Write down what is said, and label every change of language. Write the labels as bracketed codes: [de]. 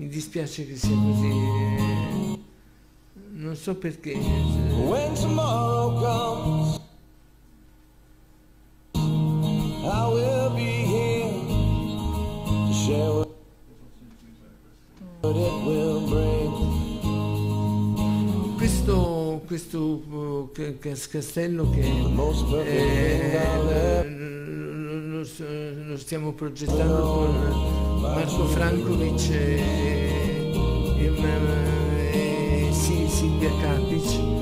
[it] Piace che sia così, non so perché. [en] When tomorrow comes, I will be here to share what it will bring. [it] Questo castello che lo stiamo progettando con Marco Frankovic e Silvia Capic,